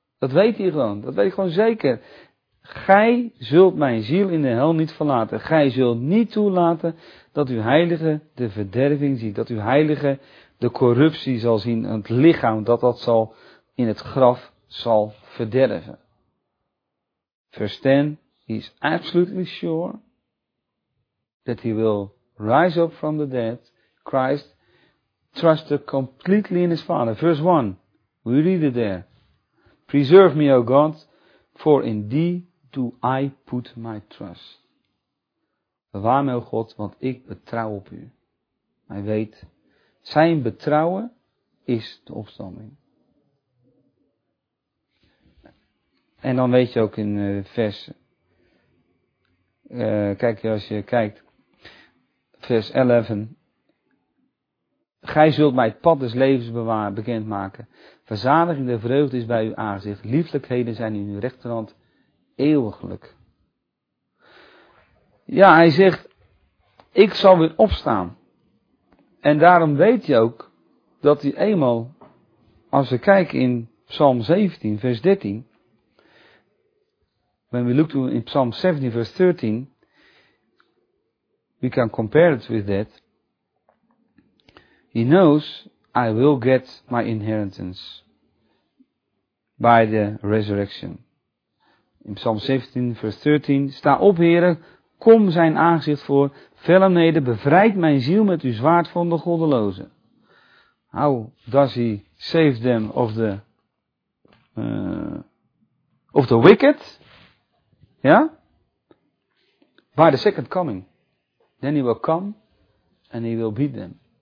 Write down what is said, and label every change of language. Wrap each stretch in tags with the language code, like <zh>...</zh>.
<nl>Dat weet hij gewoon, dat weet ik gewoon zeker. Gij zult mijn ziel in de hel niet verlaten. Gij zult niet toelaten dat uw heilige de verderving ziet. Dat uw heilige de corruptie zal zien. Het lichaam dat zal in het graf zal verderven. Vers 10.</nl> <en>He is absolutely sure that he will rise up from the dead. Christ trusted completely in his Father.</en> <nl>Vers 1.</nl> <en>We read it there. Preserve me, O God, for in thee do I put my trust.</en> <nl>Bewaar mij, O God, want ik betrouw op u. Hij weet, zijn betrouwen is de opstanding. En dan weet je ook in vers, kijk als je kijkt, vers 11. Gij zult mij het pad des levens bewaren, bekendmaken. Verzadiging der vreugde is bij uw aangezicht. Lieflijkheden zijn in uw rechterhand eeuwiglijk. Ja, hij zegt, ik zal weer opstaan. En daarom weet je ook dat hij eenmaal, als we kijken in Psalm 17, vers 13.</nl> <en>When we look to in Psalm 17, verse 13, we can compare it with that. He knows I will get my inheritance by the resurrection. In Psalm 17, verse 13,</en> <nl>sta op, Heere, kom zijn aangezicht voor, vel hem neder, bevrijd mijn ziel met uw zwaard van de goddelozen.</nl> <en>How does he save them of the wicked?</en> <nl>Ja?</nl> <en>By the second coming. Then he will come and he will beat them.</en>